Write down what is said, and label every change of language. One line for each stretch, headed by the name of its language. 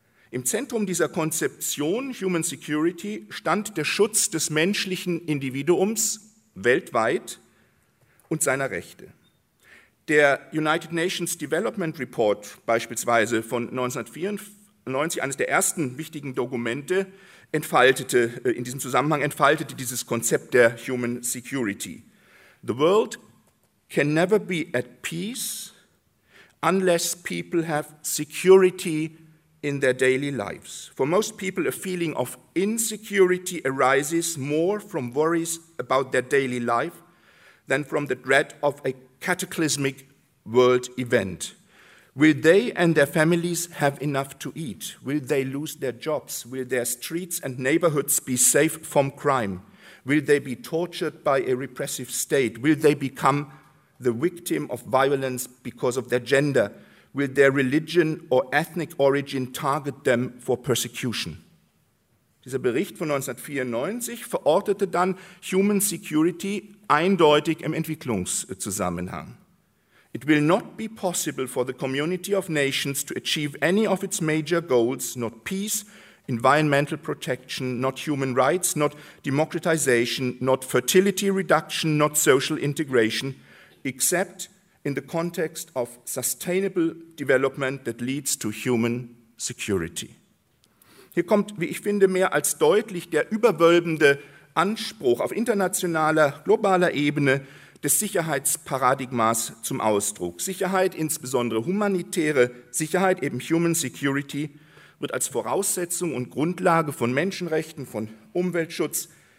German: Im Zentrum dieser Konzeption Human Security stand der Schutz des menschlichen Individuums weltweit und seiner Rechte. Der United Nations Development Report beispielsweise von 1994, eines der ersten wichtigen Dokumente, entfaltete in diesem Zusammenhang entfaltete dieses Konzept der Human Security.
English: The world can never be at peace unless people have security in their daily lives. For most people, a feeling of insecurity arises more from worries about their daily life than from the dread of a cataclysmic world event. Will they and their families have enough to eat? Will they lose their jobs? Will their streets and neighborhoods be safe from crime? Will they be tortured by a repressive state? Will they become the victim of violence because of their gender? Will their religion or ethnic origin target them for persecution?
German: Dieser Bericht von 1994 verortete dann Human Security eindeutig im Entwicklungszusammenhang.
English: It will not be possible for the community of nations to achieve any of its major goals, not peace, environmental protection, not human rights, not democratization, not fertility reduction, not social integration, except in the context of sustainable development that leads to human security.
German: Hier kommt, wie ich finde, mehr als deutlich der überwölbende Anspruch auf internationaler, globaler Ebene des Sicherheitsparadigmas zum Ausdruck. Sicherheit, insbesondere humanitäre Sicherheit, eben Human Security, wird als Voraussetzung und Grundlage von Menschenrechten, von Umweltschutz,